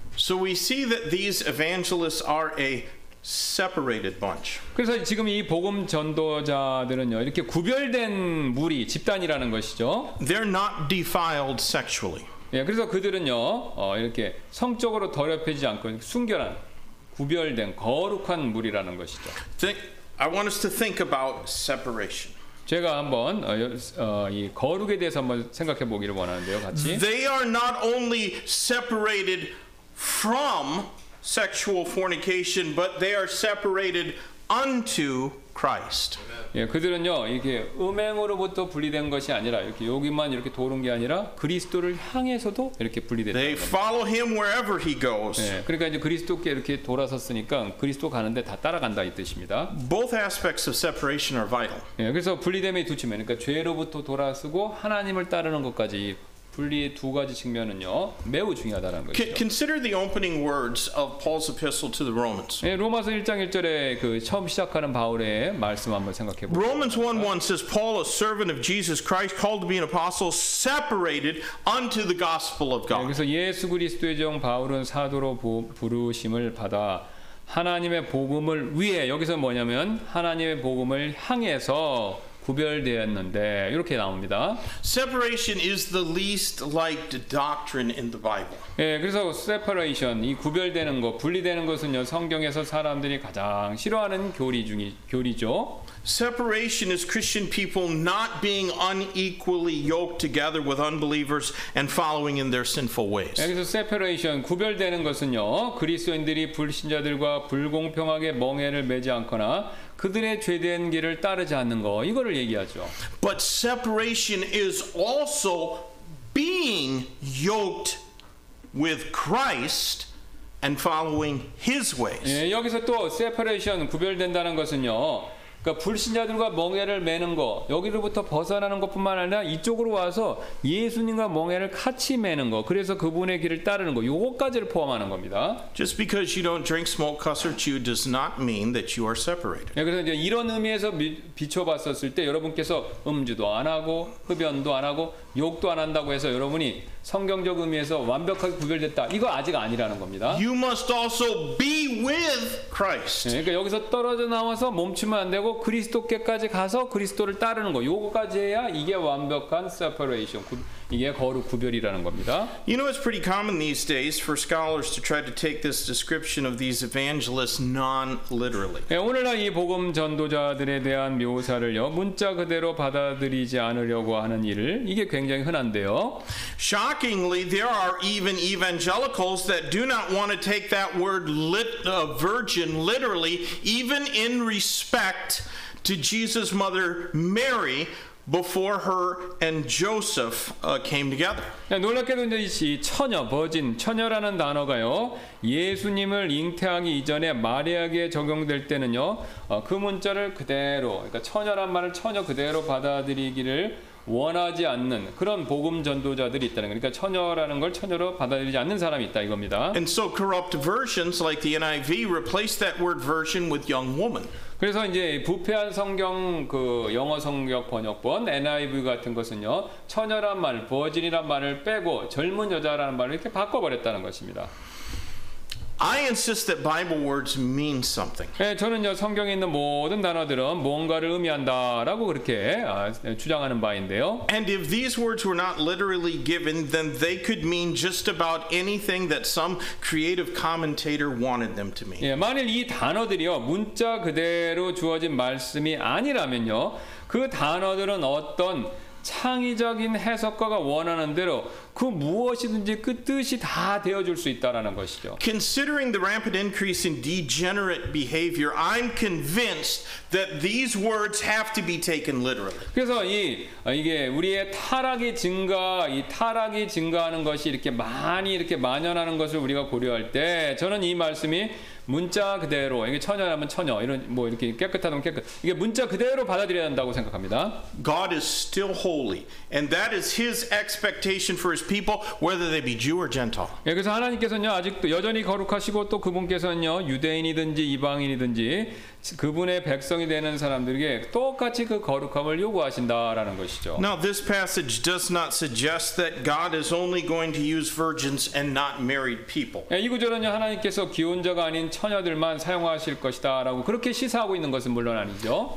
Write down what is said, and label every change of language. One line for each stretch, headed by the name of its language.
English: So we see that these evangelists are a separated bunch.
Korean: 그래서 지금 이 복음 전도자들은요, 이렇게 구별된 무리, 집단이라는 것이죠.
English: They're not defiled sexually.
Korean: 예, 그래서 그들은요, 이렇게 성적으로 더럽히지 않고 순결한, 구별된 거룩한 무리라는 것이죠.
English: I want us to think about separation.
Korean: 제가 한번 이 거룩에 대해서 한번 생각해 보기를 원하는데요, 같이.
English: They are not only separated from sexual fornication, but they are separated unto Christ.
Korean: 예, 그들은요 이렇게 음행으로부터 분리된 것이 아니라 이렇게 여기만 이렇게 도는 게 아니라 그리스도를 향해서도 이렇게 분리됐다.
English: They follow him wherever he goes.
Korean: 예, 그러니까 이제 그리스도께 이렇게 돌아섰으니까 그리스도 가는 데 다 따라간다 이 뜻입니다.
English: Both aspects of separation are vital.
Korean: 예, 그래서 분리됨의 두 측면, 그러니까 죄로부터 돌아서고 하나님을 따르는 것까지 분리의 두 가지 측면은요 매우 중요하다는 것이죠.
English: Consider the opening words of Paul's epistle to the Romans.
Korean: 예, 로마서 1장 1절에 그 처음 시작하는 바울의 말씀 한번 생각해 보세요.
English: Romans 1:1 says, Paul, a servant of Jesus Christ, called to be an apostle, separated unto the gospel of God.
Korean: 예, 그래서 예수 그리스도의 종 바울은 사도로 부르심을 받아 하나님의 복음을 위해, 여기서 뭐냐면 하나님의 복음을 향해서 구별되었는데 이렇게 나옵니다.
English: Separation is the least liked doctrine in the Bible.
Korean: 예, 그래서 separation, 이 구별되는 것, 분리되는 것은요 성경에서 사람들이 가장 싫어하는 교리죠.
English: Separation is Christian people not being unequally yoked together with unbelievers and following in their sinful ways.
Korean: 예, 그래서 separation, 구별되는 것은요 그리스도인들이 불신자들과 불공평하게 멍에를 매지 않거나 그들의 죄된 길을 따르지 않는 거, 이거를 얘기하죠.
English: But separation is also being yoked with Christ and following His ways.
Korean: 예, 여기서 또 separation, 구별된다는 것은요, 그러니까 불신자들과 멍에를 매는 거, 여기로부터 벗어나는 것뿐만 아니라 이쪽으로 와서 예수님과 멍에를 같이 매는 거, 그래서 그분의 길을 따르는 거, 요거까지를 포함하는 겁니다.
English: Just because you don't drink, smoke, cuss, or chew does not mean that you are separated.
Korean: 예, 그래서 이제 이런 의미에서 비춰봤었을 때 여러분께서 음주도 안 하고 흡연도 안 하고 욕도 안 한다고 해서 여러분이 성경적 의미에서 완벽하게 구별됐다, 이거 아직 아니라는 겁니다.
English: You must also be with Christ.
Korean: 예, 그러니까 여기서 떨어져 나와서 멈추면 안 되고 그리스도께까지 가서 그리스도를 따르는 거, 요거까지 해야 이게 완벽한 separation, 이게 거룩 구별이라는 겁니다.
English: You know, it's pretty common these days for scholars to try to take this description of these evangelists non-literally.
Korean: 예, 오늘날 이 복음 전도자들에 대한 묘사를요 문자 그대로 받아들이지 않으려고 하는 일을, 이게 굉장히 흔한데요.
English: Shockingly, there are even evangelicals that do not want to take that word virgin literally, even in respect to Jesus' mother Mary before her and Joseph came together.
Korean: 놀랍게도 이 처녀, 버진, 처녀라는 단어가요 예수님을 잉태하기 이전에 마리아에게 적용될 때는요 그 문자를 그대로, 그러니까 처녀란 말을 처녀 그대로 받아들이기를 원하지 않는 그런 복음 전도자들이 있다는 거예요. 그러니까 처녀라는 걸 처녀로 받아들이지 않는 사람이 있다 이겁니다.
English: And so corrupt versions like the NIV replace that word virgin with young woman.
Korean: 그래서 이제 부패한 성경, 그 영어 성경 번역본 NIV 같은 것은요 처녀란 말, 버진이란 말을 빼고 젊은 여자라는 말을 이렇게 바꿔버렸다는 것입니다.
English: I insist that Bible words mean something.
Korean: 예, 저는요 성경에 있는 모든 단어들은 뭔가를 의미한다라고 그렇게 주장하는 바인데요.
English: And if these words were not literally given, then they could mean just about anything that some creative commentator wanted them to mean.
Korean: 예, 만일 이 단어들이요 문자 그대로 주어진 말씀이 아니라면요 그 단어들은 어떤 창의적인 해석가가 원하는 대로 그 무엇이든지 그 뜻이 다 되어줄 수 있다라는 것이죠.
English: Considering the rampant increase in degenerate behavior, I'm convinced that these words have to be taken literally.
Korean: 그래서 이게 우리의 타락이 증가하는 것이 이렇게 많이 이렇게 만연하는 것을 우리가 고려할 때, 저는 이 말씀이 문자 그대로 이게 처녀라면 처녀 이런 뭐 이렇게 깨끗하다면 깨끗 이게 문자 그대로 받아들여야 한다고 생각합니다.
English: God is still holy, and that is His expectation for His people, whether they be Jew or Gentile.
Korean: 예, 그래서 하나님께서는요 아직도 여전히 거룩하시고 또 그분께서는요 유대인이든지 이방인이든지 그분의 백성이 되는 사람들에게 똑같이 그 거룩함을 요구하신다라는 것이죠.
English: Now this passage does not suggest that God is only going to use virgins and not married people.
Korean: 예, 이 구절은요 하나님께서 기혼자가 아닌 처녀들만 사용하실 것이다라고 그렇게 시사하고 있는 것은 물론 아니죠.